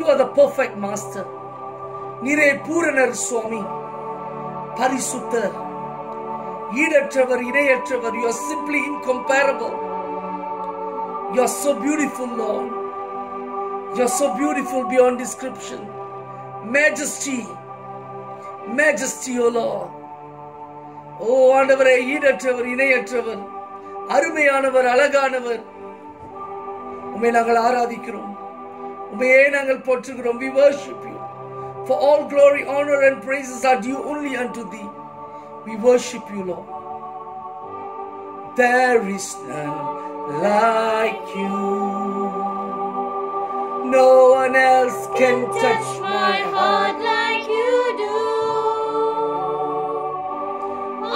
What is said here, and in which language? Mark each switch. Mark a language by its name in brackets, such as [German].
[English] You are the perfect Master. [Tamil] Nire Puranar Swami Parisuttar. ஈடற்றவர், இணையற்றவர். [English] You are simply incomparable. You are so beautiful, Lord. You are so beautiful beyond description. Majesty, Majesty, O Lord. [Tamil] ஓ ஆண்டவரே, ஈடற்றவர், இணையற்றவர், அருமையானவர், அழகானவர். உம்மை நாங்கள் ஆராதிக்கிறோம், உம்மையே நாங்கள் போற்றுகிறோம். [English] We worship you. For all glory, honor and praises are due only unto thee. We worship you, Lord. There is none like you. No one else can touch my heart like you do.